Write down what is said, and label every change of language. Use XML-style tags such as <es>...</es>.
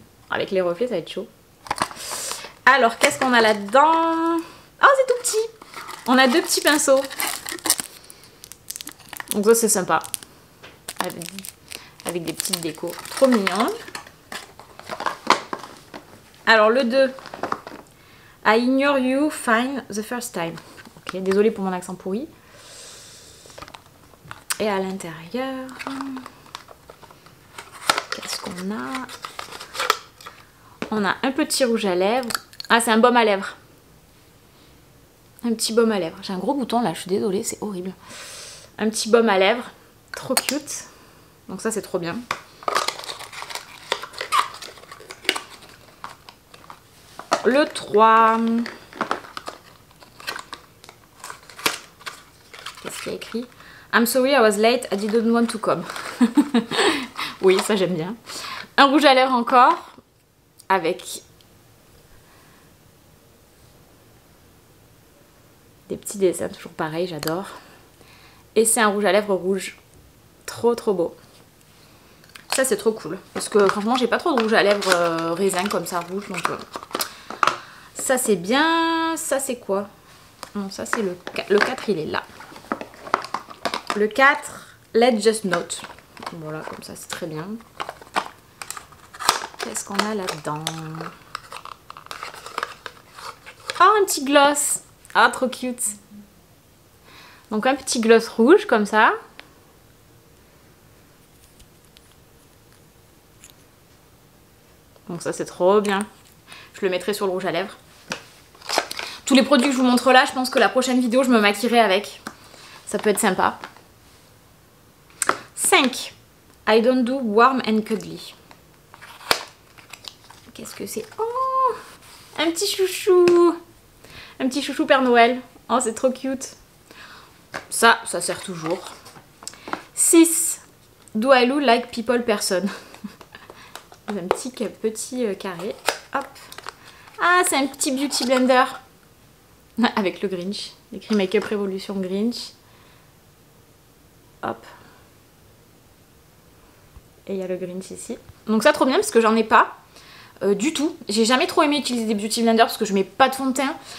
<fr>Avec les reflets, ça va être chaud. Alors, qu'est-ce qu'on a là-dedans? Oh, c'est tout petit! On a deux petits pinceaux. Donc ça, c'est sympa. Avec des petites décos. Trop mignon. Alors, le 2.</fr> <en>I ignore you fine the first time.</en> <fr>Ok, désolée pour mon accent pourri. Et à l'intérieur, qu'est-ce qu'on a? On a un petit rouge à lèvres. Ah, c'est un baume à lèvres. Un petit baume à lèvres. J'ai un gros bouton là, je suis désolée, c'est horrible. Un petit baume à lèvres. Trop cute. Donc ça, c'est trop bien. Le 3. Qu'est-ce qu'il y a écrit?</fr> <en>I'm sorry I was late, I didn't want to come.</en> <fr>Oui, ça j'aime bien. Un rouge à lèvres encore. Avec des petits dessins, toujours pareil, j'adore. Et c'est un rouge à lèvres rouge. Trop trop beau. Ça c'est trop cool. Parce que franchement j'ai pas trop de rouge à lèvres raisin comme ça rouge. Donc ça c'est bien. Ça c'est quoi? Non, ça c'est le 4, il est là. Le 4,</fr> <en>let's just note.</en> <fr>Voilà, comme ça, c'est très bien. Qu'est-ce qu'on a là-dedans? Oh, un petit gloss. Ah, trop cute. Donc, un petit gloss rouge, comme ça. Donc, ça, c'est trop bien. Je le mettrai sur le rouge à lèvres. Tous les produits que je vous montre là, je pense que la prochaine vidéo, je me maquillerai avec. Ça peut être sympa. 5.</fr> <en>I don't do warm and cuddly.</en> <fr>Qu'est-ce que c'est? Oh! Un petit chouchou! Un petit chouchou Père Noël. Oh, c'est trop cute. Ça, ça sert toujours. 6.</fr> <en>Do I look like people person?</en> <fr>Un petit carré. Hop. Ah, c'est un petit beauty blender. Avec le Grinch. Écrit Make-up Revolution Grinch. Hop. Et il y a le Grinch ici. Donc ça, trop bien parce que j'en ai pas du tout. J'ai jamais trop aimé utiliser des beauty blenders parce que je mets pas de fond de teint.</fr>